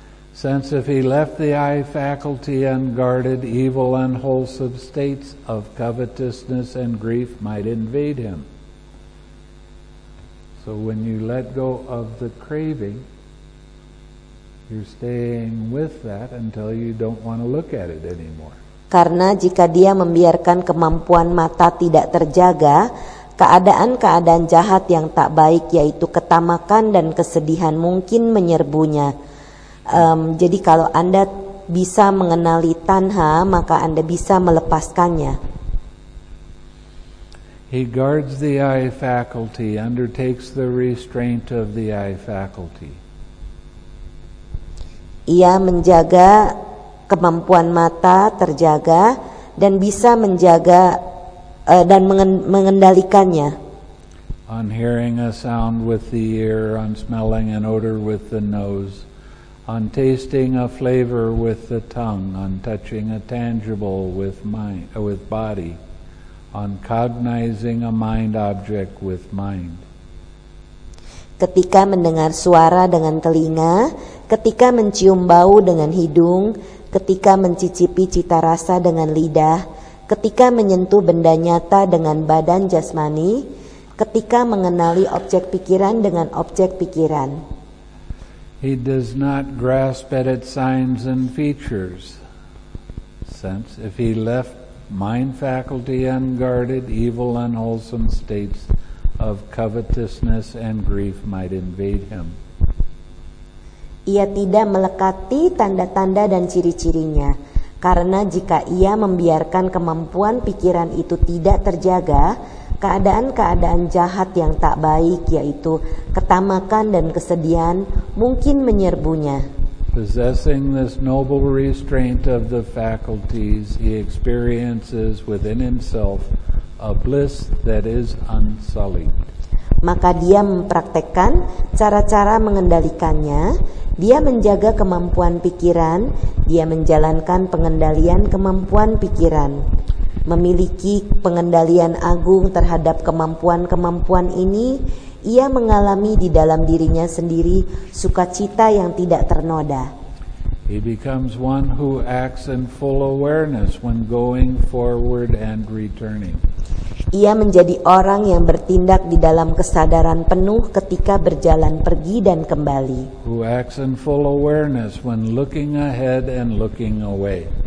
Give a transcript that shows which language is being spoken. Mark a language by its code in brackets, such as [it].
[en] Since if he left the eye faculty unguarded, evil unwholesome states of covetousness and grief might invade him. So when you let go of the craving, you're staying with that until you don't want to look at it anymore. [id] Karena jika dia membiarkan kemampuan mata tidak terjaga, keadaan-keadaan jahat yang tak baik, yaitu ketamakan dan kesedihan, mungkin menyerbunya. Jadi kalau Anda bisa mengenali tanha, maka Anda bisa melepaskannya. [en] He guards the eye faculty, undertakes the restraint of the eye faculty. [id] Ia menjaga kemampuan mata terjaga dan bisa menjaga dan mengendalikannya. [en] On hearing a sound with the ear, on smelling an odor with the nose, on tasting a flavor with the tongue, on touching a tangible with body, on cognizing a mind object with mind. [id] Ketika mendengar suara dengan telinga, ketika mencium bau dengan hidung, ketika mencicipi cita rasa dengan lidah, ketika menyentuh benda nyata dengan badan jasmani, ketika mengenali objek pikiran dengan objek pikiran. [en] He does not grasp at its signs and features. Sense, if he left mind faculty unguarded, evil unwholesome states of covetousness and grief might invade him. [id] Ia tidak melekati tanda-tanda dan ciri-cirinya, karena jika ia membiarkan kemampuan pikiran itu tidak terjaga, keadaan-keadaan jahat yang tak baik, yaitu ketamakan dan kesedihan, mungkin menyerbunya. [en] Possessing this noble restraint of the faculties, he experiences within himself a bliss that is unsullied. [id] Maka dia mempraktekkan cara-cara mengendalikannya, dia menjaga kemampuan pikiran, dia menjalankan pengendalian kemampuan pikiran. Memiliki pengendalian agung terhadap kemampuan-kemampuan ini, ia mengalami di dalam dirinya sendiri sukacita yang tidak ternoda. [en] He becomes one who acts in full awareness when going forward and returning. [id] Ia menjadi orang yang bertindak di dalam kesadaran penuh ketika berjalan pergi dan kembali. [en] Who acts in full awareness when looking ahead and looking away.